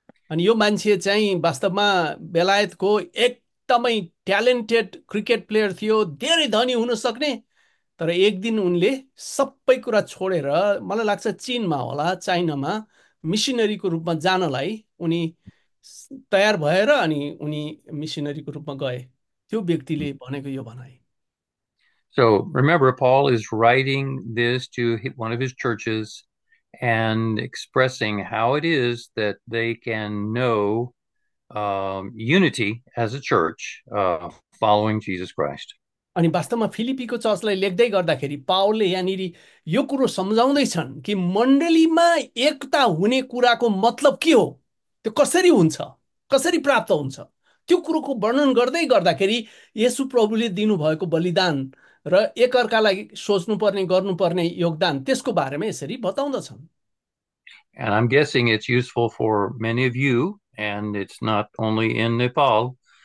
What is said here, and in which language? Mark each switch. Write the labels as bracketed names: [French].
[Nepali] अनि यो मान्छे चाहिँ वास्तवमा बेलायतको एकदमै ट्यालेन्टेड क्रिकेट प्लेयर थियो, धेरै धनी हुन सक्ने, तर एक दिन उनले सबै कुरा छोडेर मलाई लाग्छ चिनमा होला चाइनामा मिसिनरीको रूपमा जानलाई उनी तयार भएर अनि उनी मिसिनरीको रूपमा गए। त्यो व्यक्तिले भनेको यो भनाई। [English] So remember, Paul is writing this to one of his churches and expressing how it is that they can know unity as a church following Jesus Christ. [Nepali] अनि वास्तवमा फिलिपीको चर्चलाई लेख्दै गर्दाखेरि पावलले यहाँनिर यो कुरो सम्झाउँदैछन् कि मण्डलीमा एकता हुने कुराको मतलब के हो, त्यो कसरी हुन्छ, कसरी प्राप्त हुन्छ, त्यो कुरोको वर्णन गर्दै गर्दाखेरि येशु प्रभुले दिनुभएको बलिदान र एकअर्कालाई सोच्नुपर्ने गर्नुपर्ने योगदान त्यसको बारेमा यसरी बताउँदछन्। [English] And I'm guessing it's useful for many of you, and it's not only in Nepal.